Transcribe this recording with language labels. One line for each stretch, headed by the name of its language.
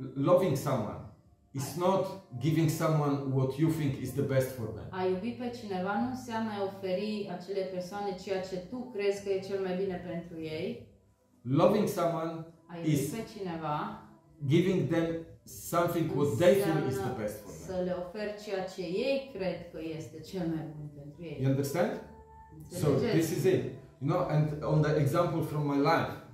English: Loving someone is not giving someone what you think is the best for them.
Romanian: A iubi pe cineva nu înseamnă a oferi acele persoane ceea ce tu crezi că e cel mai bine pentru ei.
English: Loving someone is giving them something what they feel is the best for them.
Romanian: Să le oferi ceea ce ei cred că este cel mai bun pentru ei.
English: You understand?
Romanian: Înțelegeți?
English: So this is it. You know, and on the example from my life,